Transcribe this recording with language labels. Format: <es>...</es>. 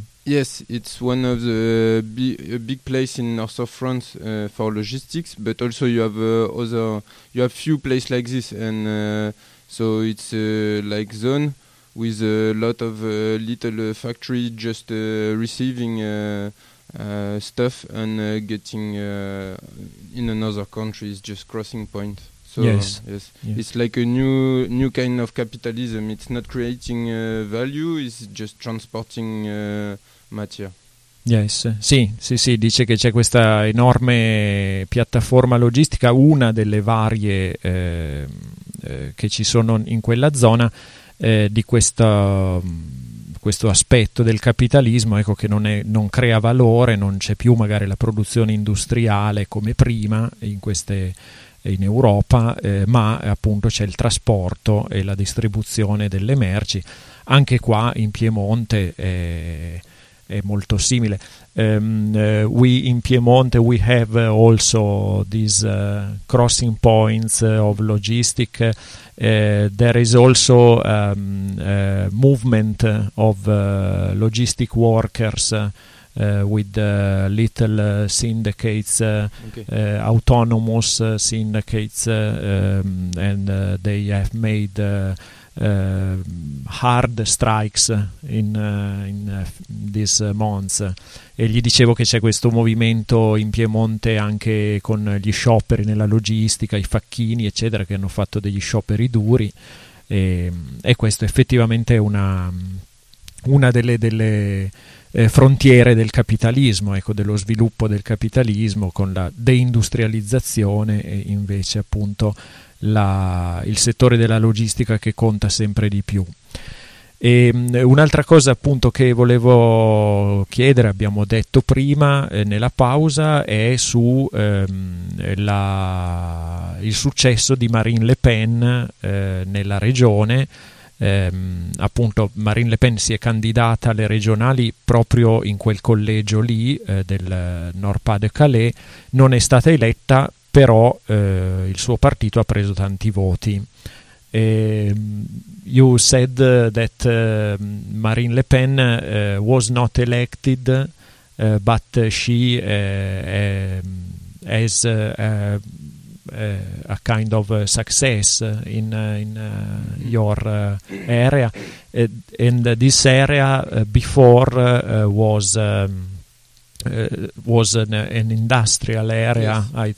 <en>Yes, it's one of the big place in north of France for logistics, but also you have few places like this, and so it's like zone with a lot of little factory just receiving stuff and getting in another country. It's just crossing point. So yes. It's like a new kind of capitalism. It's not creating value, it's just transporting material.</en> <it>Yes, sì, dice che c'è questa enorme piattaforma logistica, una delle varie che ci sono in quella zona, di questo aspetto del capitalismo, ecco, che non crea valore, non c'è più magari la produzione industriale come prima in queste in Europa, ma appunto c'è il trasporto e la distribuzione delle merci. Anche qua in Piemonte è molto simile.</it> <en>We have also these crossing points of logistics. There is also movement of logistic workers with little syndicates, okay. Autonomous syndicates, and they have made hard strikes in these months.</en> <it>E gli dicevo che c'è questo movimento in Piemonte anche con gli scioperi nella logistica, i facchini, eccetera, che hanno fatto degli scioperi duri, e questo effettivamente è una delle frontiere del capitalismo, ecco, dello sviluppo del capitalismo, con la deindustrializzazione, e invece appunto il settore della logistica che conta sempre di più. E un'altra cosa appunto che volevo chiedere, abbiamo detto prima nella pausa, è su il successo di Marine Le Pen nella regione. Appunto Marine Le Pen si è candidata alle regionali proprio in quel collegio lì del Nord-Pas-de-Calais, non è stata eletta, però il suo partito ha preso tanti voti.</it> <en>You said that Marine Le Pen was not elected, but she has a kind of success in your area, and this area before was an industrial area, yes.</en>